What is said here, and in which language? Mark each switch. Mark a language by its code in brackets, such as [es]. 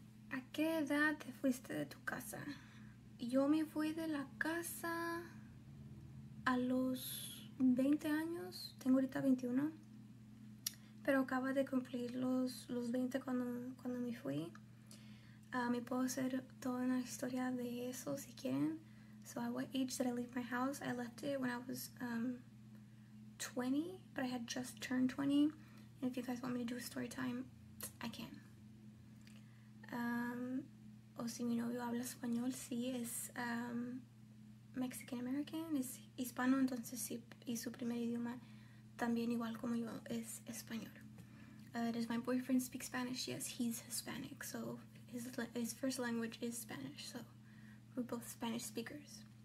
[es] ¿A qué edad te fuiste de tu casa? Yo me fui de la casa a los 20 años. Tengo ahorita 21. Pero acaba de cumplir los 20 cuando me fui. Me puedo hacer toda una historia de eso si quieren. [en] So at what age did I leave my house? I left it when I was 20, but I had just turned 20. And if you guys want me to do a story time, I can. [es] O si mi novio habla español, sí, es Mexican-American, es hispano, entonces sí, y su primer idioma también igual como yo es español. [en] Does my boyfriend speak Spanish? Yes, he's Hispanic, so... His first language is Spanish, so we're both Spanish speakers.